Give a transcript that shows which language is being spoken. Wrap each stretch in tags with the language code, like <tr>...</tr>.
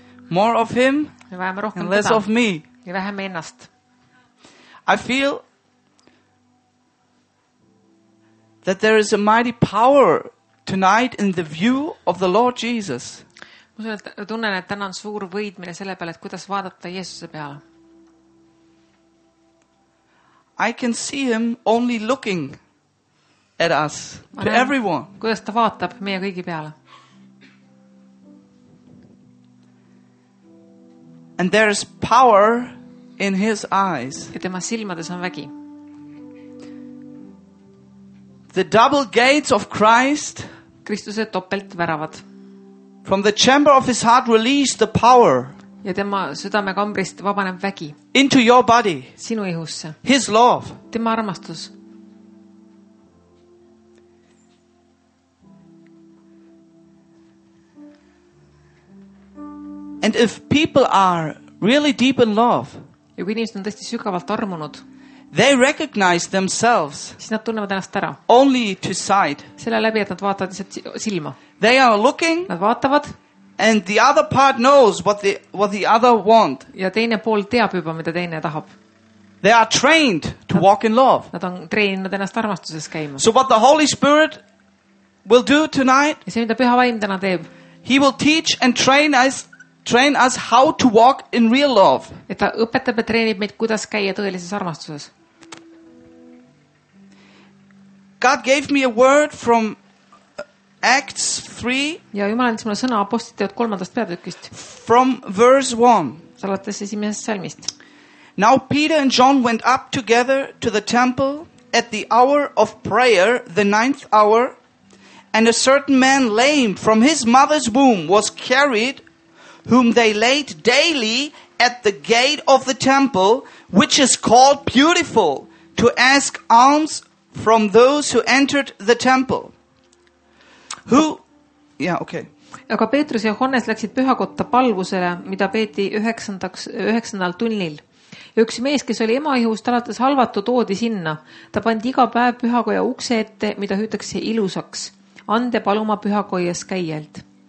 <en>More of him and less of me.</en> <et>Ja vähem ennast.</et> <en>I feel that there is a mighty power tonight in the view of the Lord Jesus.</en> <et>Ma tunnen, et täna on suur võid, mille selle peale, et kuidas vaadata Jeesuse peale.</et> <en>I can see him only looking at us, to everyone.</en> <et>Kuidas ta vaatab meie kõigi peale.</et> <en>And there is power in his eyes.</en> <et>Ja tema silmades on vägi.</et> <en>The double gates of Christ.</en> <et>Kristuse topelt väravad.</et> <en>From the chamber of his heart release the power.</en> <et>Ja tema südame kambrist vabaneb vägi.</et> <en>Into your body.</en> <et>Sinu ihusse.</et> <en>His love.</en> <et>Tema armastus.</et> <en>And if people are really deep in love.</en> <et>Ja kui inimesed on tõesti sügavalt armunud.</et> <en>They recognize themselves.</en> <et>Siis nad tunnevad ennast ära.</et> <en>Only to sight.</en> <et>Selle läbi, et nad vaatavad silma.</et> <en>They are looking.</en> <et>Nad vaatavad.</et> <en>And the other part knows what the other want.</en> <et>Ja teine pool teab juba, mida teine tahab.</et> <en>They are trained to walk in love.</en> <et>Nad on treeninud ennast armastuses käima.</et> <en>So what the Holy Spirit will do tonight.</en> <et>Ja see, mida püha vaim täna teeb.</et> <en>He will teach and train us how to walk in real love.</en> <et>Et ta õpetab ja treenib meid, kuidas käia tõelises armastuses.</et> <en>God gave me a word from Acts 3.</en> <et>Ja Jumal andis mulle sõna apostlite teod 3. peatükist.</et> <en>From verse 1.</en> <et>Salates esimesest salmist.</et> <en>Now Peter and John went up together to the temple at the hour of prayer, the ninth hour, and a certain man lame from his mother's womb was carried, whom they laid daily at the gate of the temple, which is called Beautiful, to ask alms from those who entered the temple. Who? Yeah, okay.</en> <et>Aga Peetrus ja Johannes läksid pühakotta palvusele, mida peeti 9. tunnil. Ja üks mees, kes oli ema ihust alates halvatu, toodi sinna. Ta pandi iga päev pühakoja ukse ette, mida hüütakse ilusaks. Ande paluma pühakojas käijalt.</et>